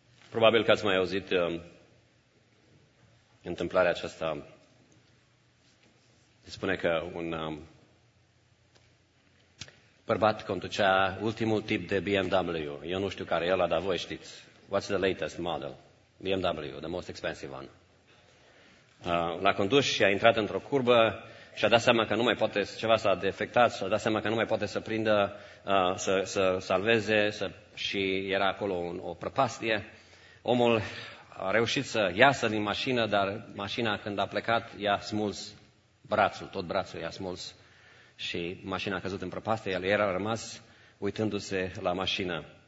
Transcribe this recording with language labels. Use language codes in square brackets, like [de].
[ro] Probabil că ați mai auzit întâmplarea aceasta. Se spune că un bărbat conducea ultimul tip de BMW. Eu nu știu care e ăla, dar voi știți. [en] What's the latest model? BMW, the most expensive one. [ro] L-a condus și a intrat într-o curbă și a dat seama că nu mai poate, ceva s-a defectat, și a dat seama că nu mai poate să prindă, să salveze, și era acolo o prăpastie. Omul a reușit să iasă din mașină, dar mașina când a plecat i-a smuls brațul, tot brațul i-a smuls și mașina a căzut în prăpastie, el era rămas uitându-se la mașină.